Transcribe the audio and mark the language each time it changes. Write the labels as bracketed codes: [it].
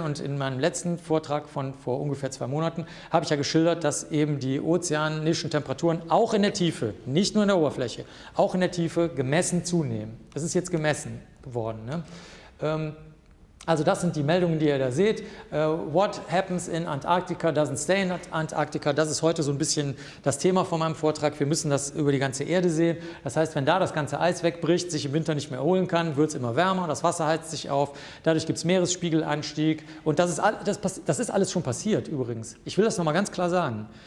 [de] Und in meinem letzten Vortrag von vor ungefähr 2 Monaten habe ich ja geschildert, dass eben die ozeanischen Temperaturen auch in der Tiefe, nicht nur in der Oberfläche, auch in der Tiefe gemessen zunehmen. Das ist jetzt gemessen geworden. Ne? Also das sind die Meldungen, die ihr da seht. [en] What happens in Antarctica doesn't stay in Antarctica. [de] Das ist heute so ein bisschen das Thema von meinem Vortrag. Wir müssen das über die ganze Erde sehen. Das heißt, wenn da das ganze Eis wegbricht, sich im Winter nicht mehr erholen kann, wird es immer wärmer, das Wasser heizt sich auf, dadurch gibt es Meeresspiegelanstieg. Und das ist alles schon passiert übrigens. Ich will das nochmal ganz klar sagen.